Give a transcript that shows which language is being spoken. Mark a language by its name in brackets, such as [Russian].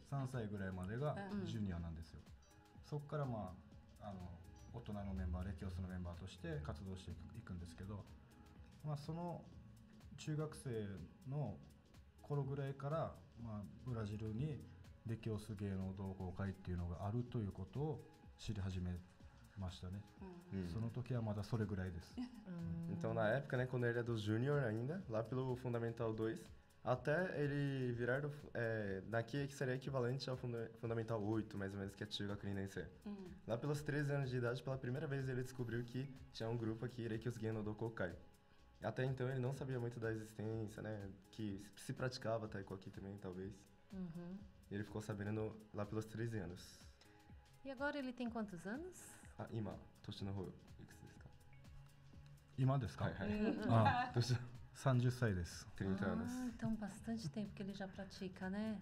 [Japanese] 3歳ぐらいまでがジュニアなんですよ。そこから、まあ、大人のメンバー、レキオスのメンバーとして活動していくんですけど、まあ、その中学生の頃ぐらいから、まあ、ブラジルにレキオス芸能同好会っていうのがあるということを知り始めましたね。その時はまだそれぐらいです。 [Portuguese] Então, na época, né, quando ele era do Júnior ainda, lá pelo Fundamental 2, até ele virar do, daqui que seria equivalente ao Fundamental 8, mais ou menos, que é Chugaku Nensei. Lá pelos 13 anos de idade, pela primeira vez ele descobriu que tinha um grupo aqui, Rekios Gen no Dokokai. Até então ele não sabia muito da existência, né, que se praticava taiko aqui também, talvez. Ele ficou sabendo lá pelos 13 anos. E agora ele tem quantos anos? [Japanese] Ah, 今、歳の方、いくつですか? 今ですか、はいはい、 30歳です。 [Portuguese] 30 anos. Ah, então, bastante tempo que ele já pratica, né?